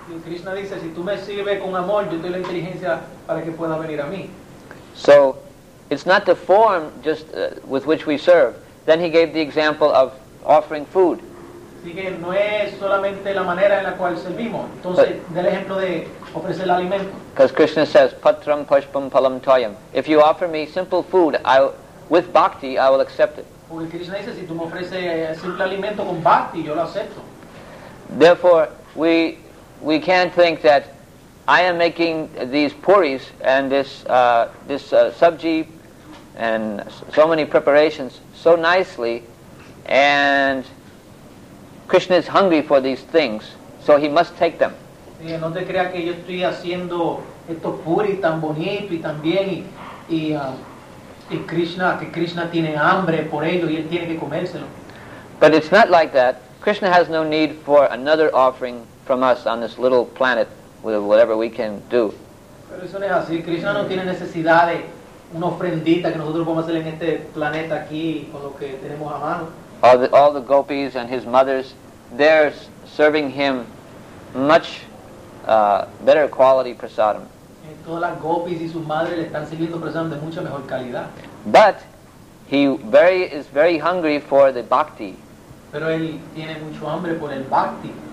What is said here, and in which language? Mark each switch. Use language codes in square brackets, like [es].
[es] Krishna dice, si tú me sirves con amor, yo te doy la inteligencia para que pueda venir a mí. [en] So, it's not the form just with which we serve. Then he gave the example of offering food. [es] Así que no es solamente la manera en la cual servimos. Entonces, del ejemplo de ofrecer el alimento. [en] Because Krishna says, [sa] patram pushpam palam toyam. [en] If you offer me simple food, with bhakti, I will accept it. [es] Porque Krishna dice, si tú me ofreces simple alimento con bhakti, yo lo acepto. [en] Therefore, we can't think that I am making these puris and this sabji and so many preparations so nicely, and Krishna is hungry for these things, so he must take them. [es] No te creas que yo estoy haciendo estos puris tan bonitos y tan bien y Krishna, que Krishna tiene hambre por ello y él tiene que comérselo. [en] But it's not like that. Krishna has no need for another offering from us on this little planet with whatever we can do. [es] Pero eso no es así. Krishna no tiene necesidad de una ofrendita que nosotros podemos hacer en este planeta aquí con lo que tenemos a mano. [en] All the gopis and his mothers, they're serving him much better quality prasadam. [es] Todas las gopis y sus madres le están sirviendo prasadam de mucha mejor calidad. [en] But he is very hungry for the bhakti. [es] Pero él tiene mucho hambre por el bhakti.